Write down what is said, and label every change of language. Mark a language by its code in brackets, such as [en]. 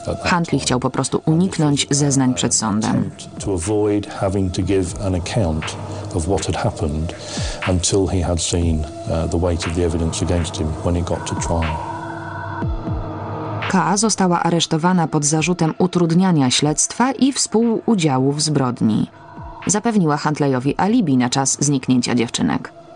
[pl] Huntley chciał po prostu uniknąć zeznań przed sądem. [en] To avoid having to give an account of what had happened until he had seen the weight of the evidence against him when it got to trial. [pl] Kaa została aresztowana pod zarzutem utrudniania śledztwa i współudziału w zbrodni. Zapewniła Huntleyowi alibi na czas zniknięcia dziewczynek.